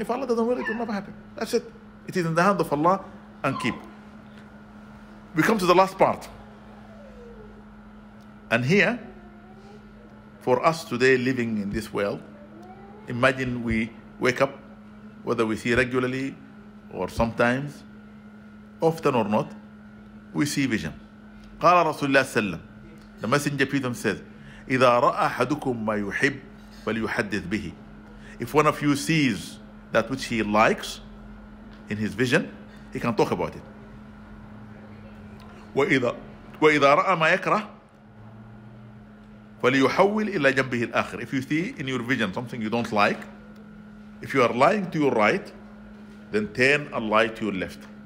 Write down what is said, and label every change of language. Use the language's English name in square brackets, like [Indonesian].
[English] If Allah doesn't will, it will never happen. That's it. It is in the hand of Allah and keep. We come to the last part. And here, for us today living in this world, imagine we wake up, whether we see regularly or sometimes, often or not, we see vision. [Arabic] قال رسول الله صلى الله عليه وسلم, [English] the messenger peace and says, [Arabic] إذا رأى أحدكم ما يحب فليحدث به. [English] If one of you sees that which he likes in his vision, he can talk about it. [Arabic] وَإِذَا رَأَى مَا يَكْرَهُ فَلِيُحَوِّلْ إِلَّا جَنْبِهِ الْآخِرِ [English] If you see in your vision something you don't like, if you are lying to your right, then turn a lie to your left.